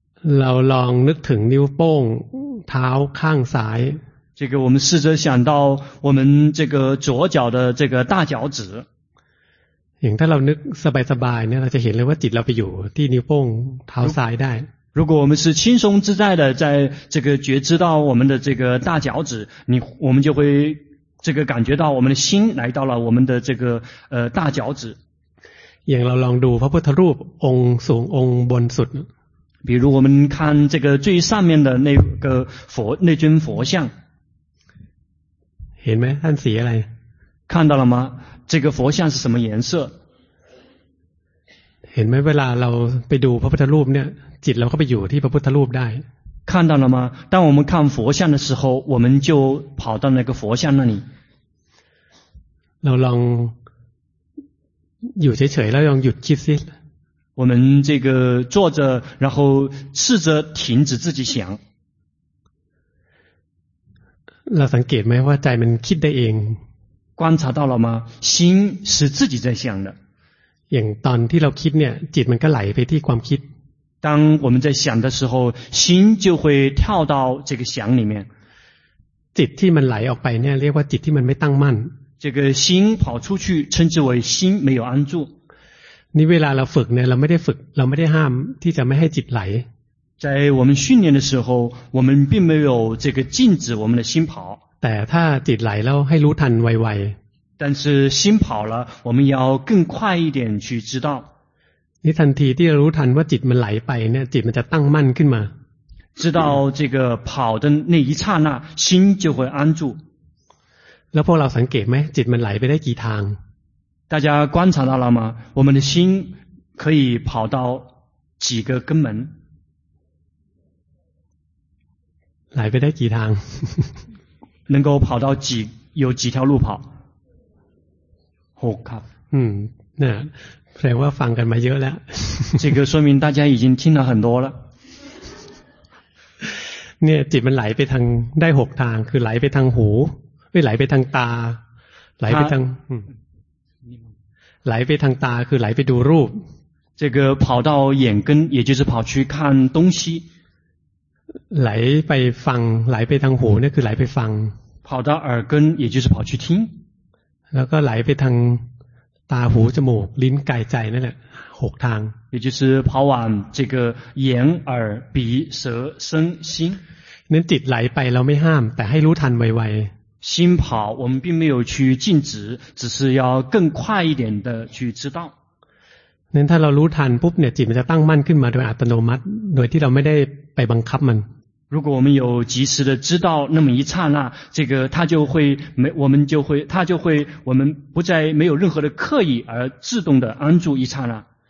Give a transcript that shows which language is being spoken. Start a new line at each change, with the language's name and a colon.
Thai: เราลองนึกถึงนิ้วโป้งเท้าข้างซ้าย
Chinese: 这个我们试着想到我们这个左脚的这个大脚趾
Thai: อย่างถ้าเรานึกสบายๆเนี่ยเราจะเห็นเลยว่าจิตเราไปอยู่ที่นิ้วโป้งเท้าซ้ายได้
Chinese: 如果我们是轻松自在的在这个觉知到我们的这个大脚趾你我们就会这个感觉到我们的心来到了我们的这个大脚趾
Thai: อย่างเราลองดูพระพุทธรูปองค์สูงองค์บนสุด
Chinese: 比如我们看这个最上面的那个佛那尊佛像
Thai: เห็นไหมท่านสีอะไร
Chinese: 看到了吗这个佛像是什么颜色
Thai: เห็นไหมเวลาเราไปดูพระพุทธรูปเนี่ยจิตเราก็ไปอยู่ที่พระพุทธรูปได้
Chinese: 看到了吗当我们看佛像的时候我们就跑到那个佛像那里
Thai: เราลองอยู่เฉยๆแล้วลองหยุดคิดซิ
Chinese: 我们这个坐着然后试着停止自己想
Thai: เราสังเกตไหมว่าใจมันคิดได้เอง
Chinese: 观察到了吗心是自己在想的
Thai: อย่างตอนที่เราคิดเนี่ยจิตมันก็ไหลไปที่ความคิด
Chinese: 当我们在想的时候心就会跳到这个想里面
Thai: จิตที่มันไหลออกไปเนี่ยเรียกว่าจิตที่มันไม่ตั้งมั่น
Chinese: 这个心跑出去称之为心没有安住
Thai: นี่เวลาเราฝึกเนี่ยเราไม่ได้ฝึกเราไม่ได้ห้ามที่จะไม่ให้จิตไหล
Chinese: 在我们训练的时候我们并没有这个禁止我们的心跑
Thai: แต่ถ้าจิตไหลแล้วให้รู้ทันไว
Chinese: ๆ但是心跑了我们要更快一点去知道
Thai: นี่ทันทีที่รู้ทันว่าจิตมันไหลไปเนี่ยจิตมันจะตั้งมั่นขึ้นมา
Chinese: 知道这个跑的那一刹那心就会安住
Thai: แล้วพวกเราสังเกตไหมจิตมันไหลไปได้กี่ทาง
Chinese: 大家观察到了吗我们的心可以跑到几个根门
Thai: ไหลไปได้กี่ทาง
Chinese: 能够跑到几有几条路跑6
Thai: ครับ นะแสดงว่าฟังกันมาเยอะแล้ว
Chinese: 这个说明大家已经听了很多了
Thai: เนี่ยจิตมันไหลไปทางได้6ทางคือไหลไปทางหูไหลไปทางตาไหลไปทาง 来ไปทางตาคือไหลไปดูรูป
Chinese: 这个跑到眼根也就是跑去看东西
Thai: ไหลไปฟังไหลไปทางหูนี่คือไหลไปฟัง
Chinese: 跑到耳根也就是跑去听
Thai: แล้วก็ไหลไปทางตาหูจมูกลิ้นกายใจนั่นแหละหกทาง
Chinese: 也就是跑往这个眼耳鼻舌身心
Thai: นั้นจิตไหลไปเราไม่ห้ามแต่ให้รู้ทันไว
Chinese: ๆ心跑我们并没有去禁止只是要更快一点的去知道
Thai: นั้นถ้าเรารู้ทันปุ๊บเนี่ยจิตมันจะตั้งมั่นขึ้นมาโดยอัตโนมัติโดยที่เราไม่ได้ไปบังคับมัน
Chinese: 如果我们有及时的知道那么一刹那这个它就会没我们就会它就会我们不再没有任何的刻意而自动的安住一刹那